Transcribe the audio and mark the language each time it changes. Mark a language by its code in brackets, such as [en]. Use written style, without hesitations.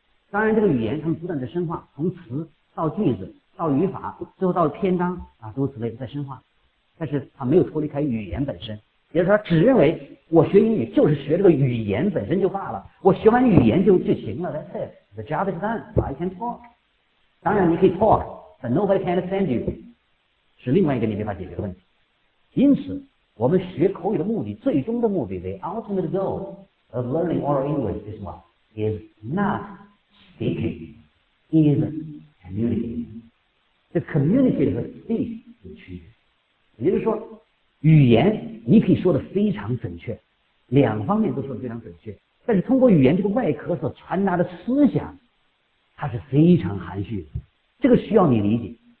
[zh] 当然，这个语言他们不断的深化，从词到句子到语法，最后到篇章啊，诸如此类的在深化。但是他没有脱离开语言本身，也就是他只认为我学英语就是学这个语言本身就罢了，我学完语言就行了。 [en] That's it. The job is done. I can talk. [zh] 当然你可以 [en] talk, but nobody can understand you. [zh] 是另外一个你没法解决的问题。因此，我们学口语的目的，最终的目的 [en] ，the ultimate goal of learning oral English is what? Is not speaking, is communicating. [zh] 这 communicate 和 speak 有区别。也就是说，语言你可以说得非常准确，两方面都说得非常准确，但是通过语言这个外壳所传达的思想，它是非常含蓄的，这个需要你理解。